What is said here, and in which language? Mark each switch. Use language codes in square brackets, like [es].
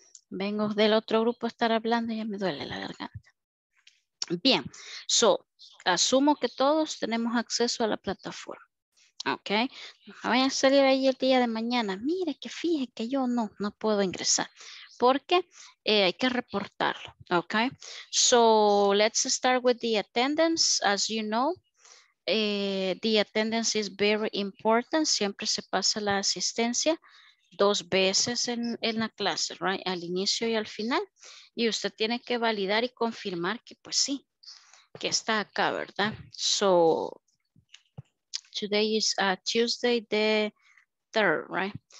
[es] Vengo del otro grupo a estar hablando y ya me duele la garganta. Bien, so, asumo que todos tenemos acceso a la plataforma. Ok, voy a salir ahí el día de mañana. Mire, que fije que yo no puedo ingresar porque hay que reportarlo. [en] Ok, so, let's start with the attendance. As you know, the attendance is very important. [es] Siempre se pasa la asistencia dos veces en la clase, right? Al inicio y al final, y usted tiene que validar y confirmar que pues sí, que está acá, ¿verdad? [en] So, today is a Tuesday the 3rd, right?